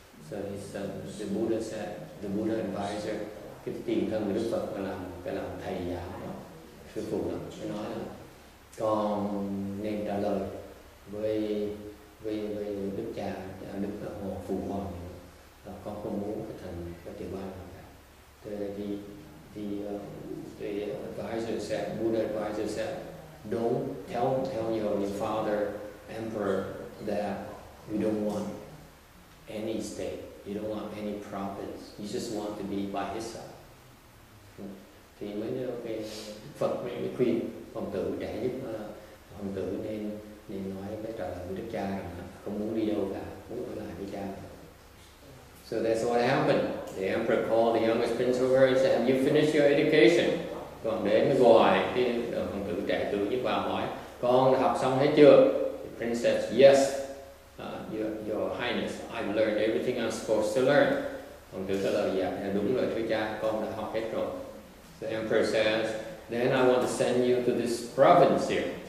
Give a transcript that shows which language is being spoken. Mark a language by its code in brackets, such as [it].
[en] So he said, the Buddha said, the Buddha advisor, [vi] cái tiền thân của Đức Phật làm thầy giáo đó, sư phụ đó, cái nói là con nên trả lời với đức cha, đức hồ phụ hoàng, là con không muốn cái thành cái tiểu bang nào cả. [en] The advisor said, Buddha advisor said, don't tell your father emperor that you don't want any state, you don't want any province, you just want to be by his side. [vi] Thì mới nói okay, Phật mới khuyên hoàng tử trẻ nhất, hoàng tử nên nói với trả lời với đức cha rằng không muốn đi đâu cả, muốn ở lại với cha. [en] So that's what happened. The emperor called the youngest prince over and said, have you finished your education? [vi] Còn đến gọi hoàng tử trẻ tuổi nhất vào hỏi, con học xong hết chưa? [en] The prince said, yes, your highness, I've learned everything I'm supposed to learn. [vi] Hoàng tử trả lời, dạ, đúng rồi thưa cha, con đã học hết rồi. [en] The emperor says, then I want to send you to this province here.